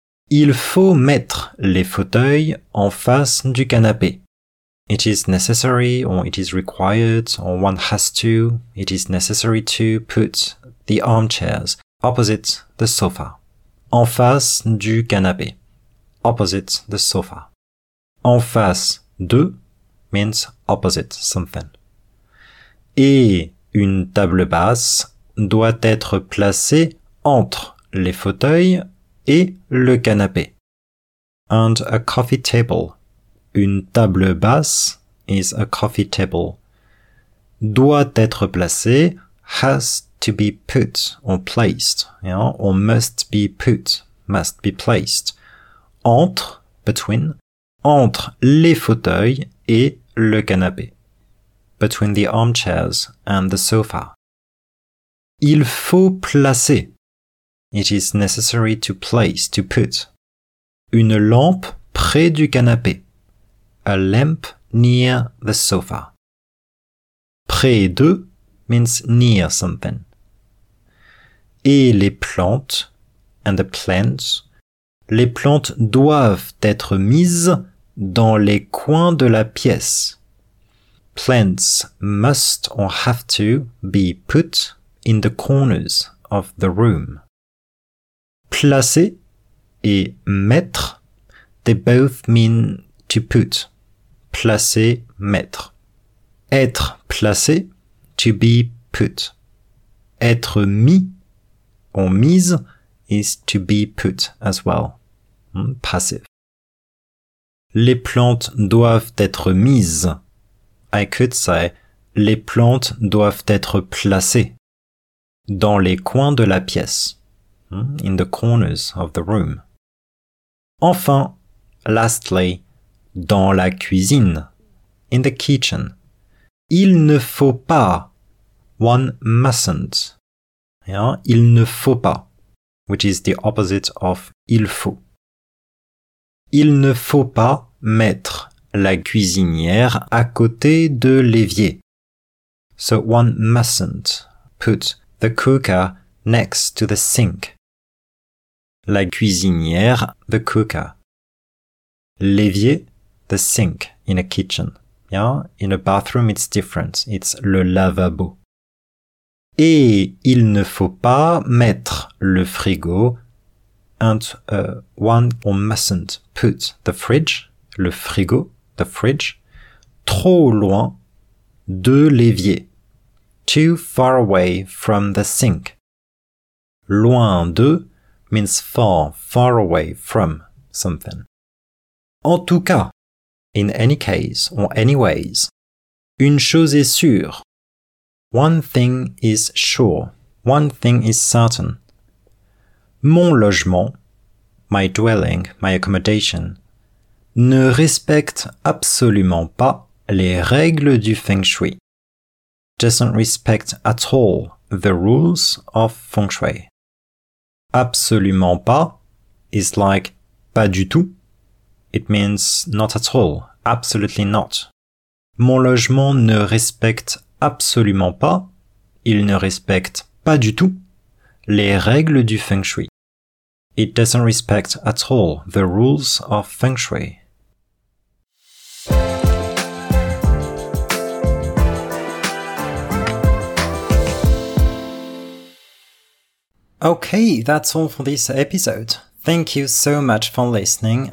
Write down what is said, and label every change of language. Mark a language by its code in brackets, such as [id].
[fr] Il faut mettre les fauteuils en face du canapé. [en] It is necessary, or it is required, or one has to, it is necessary to put the armchairs opposite the sofa. [fr] En face du canapé. [en] Opposite the sofa. [fr] En face de [en] means opposite something. [fr] Et une table basse doit être placée entre les fauteuils et le canapé. [en] And a coffee table. [fr] Une table basse [en] is a coffee table. [fr] Doit être placée, [en] has to be put or placed, yeah? Or must be put, must be placed. [fr] Entre, [en] between, [fr] entre les fauteuils et le canapé. [en] Between the armchairs and the sofa. [fr] Il faut placer. [en] It is necessary to place, to put. [fr] Une lampe près du canapé. [en] A lamp near the sofa. [fr] Près de [en] means near something. [fr] Et les plantes, [en] and the plants. [fr] Les plantes doivent être mises dans les coins de la pièce. [en] Plants must or have to be put in the corners of the room. [fr] Placer et mettre, [en] they both mean to put. [fr] Placer, mettre. Être placé, [en] to be put. [fr] Être mis, [en] on mise, is to be put as well. Passive. [fr] Les plantes doivent être mises. [en] I could say, [fr] les plantes doivent être placées. Dans les coins de la pièce. [en] In the corners of the room. [fr] Enfin, [en] lastly, [fr] dans la cuisine, [en] in the kitchen. [fr] Il ne faut pas, [en] one mustn't. [fr] Yeah? Il ne faut pas, [en] which is the opposite of il faut. [fr] Il ne faut pas mettre la cuisinière à côté de l'évier. [en] So one mustn't put the cooker next to the sink. [fr] La cuisinière, [en] the cooker. [fr] L'évier, [en] the sink in a kitchen. Yeah? In a bathroom, it's different. It's le lavabo. [fr] Et il ne faut pas mettre le frigo. [en] And one mustn't put the fridge, [fr] le frigo, [en] the fridge, [fr] trop loin de l'évier. [en] Too far away from the sink. [fr] Loin de [en] means far, far away from something. [fr] En tout cas, [en] in any case or anyways, [fr] une chose est sûre. [en] One thing is sure. One thing is certain. [fr] Mon logement, [en] my dwelling, my accommodation, [fr] ne respecte absolument pas les règles du feng shui. [en] Doesn't respect at all the rules of feng shui. [fr] Absolument pas [en] is like [fr] pas du tout. [en] It means not at all, absolutely not. [fr] Mon logement ne respecte absolument pas, il ne respecte pas du tout, les règles du feng shui. [en] It doesn't respect at all the rules of feng shui. Okay, that's all for this episode. Thank you so much for listening.